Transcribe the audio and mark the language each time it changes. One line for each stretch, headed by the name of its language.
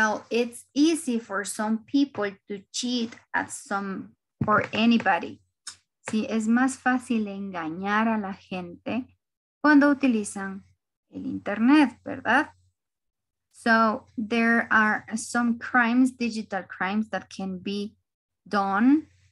English: It's easy for some people to cheat at some, or anybody.
Spanish: Sí, es más fácil engañar a la gente cuando utilizan el internet, ¿verdad?
English: So there are some crimes, digital crimes that can be done.